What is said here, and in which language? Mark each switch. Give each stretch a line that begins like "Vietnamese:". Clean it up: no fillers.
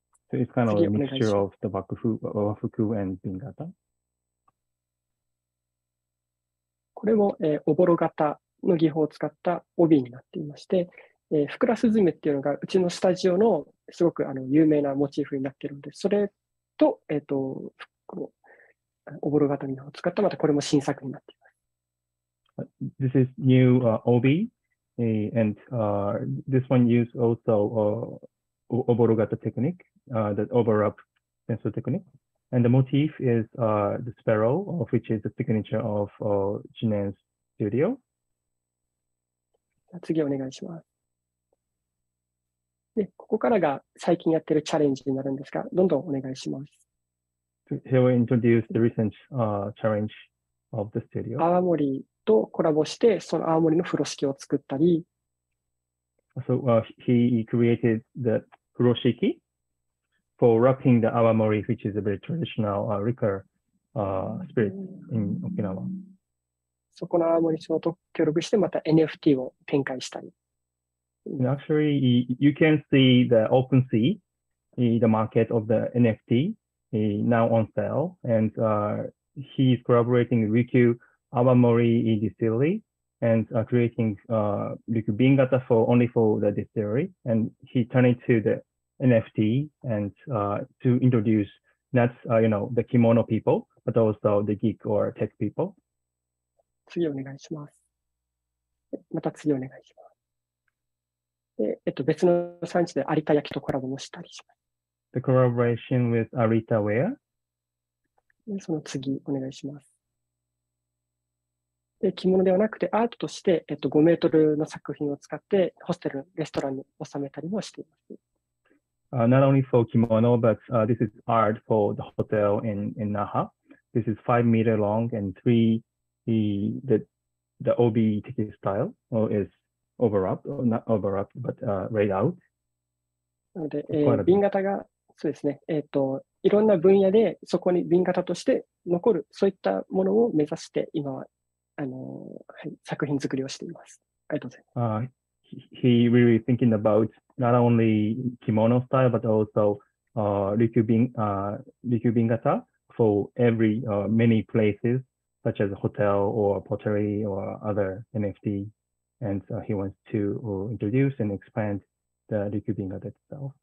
English: So it's kind of a mixture of the wafuku and Bingata.
Japanese: これも、おぼろ型の技法を使った帯になっていまして、ふくらすずめっていうのがうちのスタジオのすごく有名なモチーフになっているので、それと、このおぼろ型のを使ったまたこれも新作になっています。
English: This is new OB, and this one used also おぼろ型 technique, the overwrap pencil technique, and the motif is the sparrow, of which is the signature of Chinen's studio.
Japanese: 次お願いします。で、ここからが最近やってるチャレンジになるんですが、どんどんお願いします。
English: He will introduce the recent challenge of the studio.
Japanese: 泡盛とコラボして、その泡盛の風呂敷を作ったり。
English: So, he created the 風呂敷 for wrapping the 泡盛, which is a very traditional liquor spirit in Okinawa.
Japanese: そこの泡盛と協力して、また NFT を展開したり。
English: Actually, you can see the OpenSea, the market of the NFT, now on sale. And he's collaborating with Riku Awamori Distillery and creating Riku Bingata only for the distillery. And he turned it to the NFT and to introduce not, the kimono people, but also the geek or tech people.
Japanese: 次お願いします。また次お願いします。で、別の産地で有田焼きとコラボもしたりします。
English: The collaboration with Arita Ware?
Japanese: で、その次、お願いします。で、着物ではなくて、アートとして、5メートルの作品を使って、ホステル、レストランに収めたりもしています。
English: Not only for kimono, but this is art for the hotel in Naha. This is 5 meter long and 3, the OB ticket style, or is... Overwrap, but laid out.
Japanese: なので、瓶型が、そうですね、いろんな分野でそこに瓶型として残る、そういったものを目指して今は、はい、作品作りをしています。ありがとうございます。
English: He really thinking about not only kimono style, but also Riku Bingata for every, many places, such as hotel or pottery or other NFT. And he wants to introduce and expand the Riku Bingata itself.